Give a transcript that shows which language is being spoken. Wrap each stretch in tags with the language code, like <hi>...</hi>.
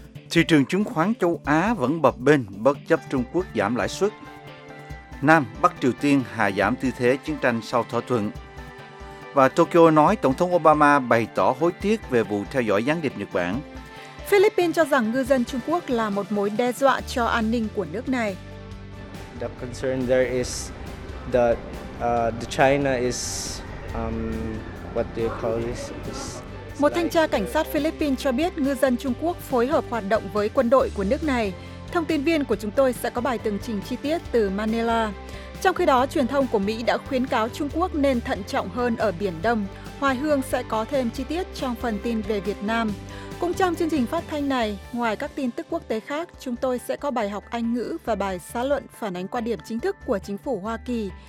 <vi>Thị trường chứng khoán châu Á vẫn bập bênh bất chấp Trung Quốc giảm lãi suất. Nam Bắc Triều Tiên hạ giảm tư thế chiến tranh sau thỏa thuận. Và Tokyo nói Tổng thống Obama bày tỏ hối tiếc về vụ theo dõi gián điệp Nhật Bản. Philippines cho rằng ngư dân Trung Quốc là một mối đe dọa cho an ninh của nước này.</vi> <en>The concern there is that China is what do you call this?</en> <vi>Một thanh tra cảnh sát Philippines cho biết ngư dân Trung Quốc phối hợp hoạt động với quân đội của nước này. Thông tin viên của chúng tôi sẽ có bài tường trình chi tiết từ Manila. Trong khi đó, truyền thông của Mỹ đã khuyến cáo Trung Quốc nên thận trọng hơn ở Biển Đông. Hoài Hương sẽ có thêm chi tiết trong phần tin về Việt Nam. Cũng trong chương trình phát thanh này, ngoài các tin tức quốc tế khác, chúng tôi sẽ có bài học Anh ngữ và bài xã luận phản ánh quan điểm chính thức của chính phủ Hoa Kỳ.</vi>